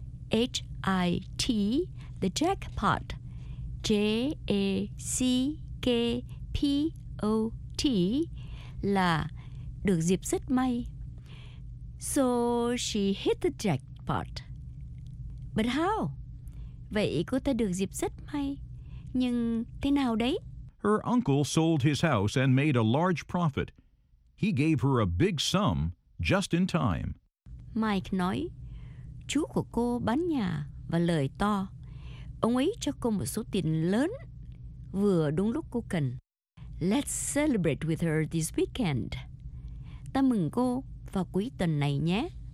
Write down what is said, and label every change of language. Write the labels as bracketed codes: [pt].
[vi] H-I-T. The jackpot. J-A-C-K-P-O-T là được dịp rất may. [en] So she hit the jackpot. But how? [vi] Vậy cô ta được dịp rất may. Nhưng thế nào đấy? [en] Her uncle sold his house and made a large profit. He gave her a big sum just in time. [vi] Mike nói, chú của cô bán nhà và lời to. Ông ấy cho cô một số tiền lớn, vừa đúng lúc cô cần. [en] Let's celebrate with her this weekend. [vi] Ta mừng cô vào cuối tuần này nhé.